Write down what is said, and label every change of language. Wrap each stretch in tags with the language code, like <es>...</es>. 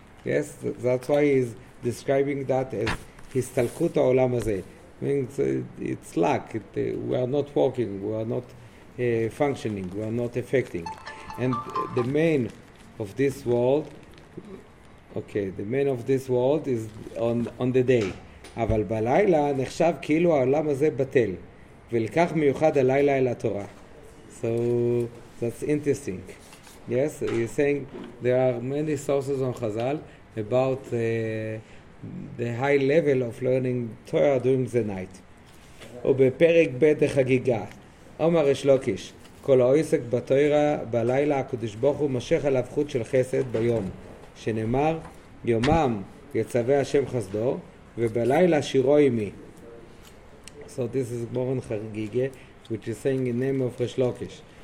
<en>Yes, that's why he's describing that as</en> <he>הסתלקות העולם הזה.</he> <en>Means it's lack. We are not working. We are not functioning. We are not affecting. And the main of this world, okay, the main of this world is on the day.</en> <he>אבל בלילה נחשב כאילו העולם הזה בטל. ולכך מיוחד הלילה אל התורה.</he> <en>So that's interesting. Yes, you're saying there are many sources on Chazal about the high level of learning Torah during the night.</en> <he>ובפרק ב' החגיגה, אומר יש לוקיש, כל העוסק בתורה בלילה הקדוש ברוך הוא משך עליו חוט של חסד ביום, שנאמר, יומם יצווה השם חסדו, ובלילה שירו עמי.</he> <en>So this is Moron Chagige, which is saying in name of יש לוקיש.</en>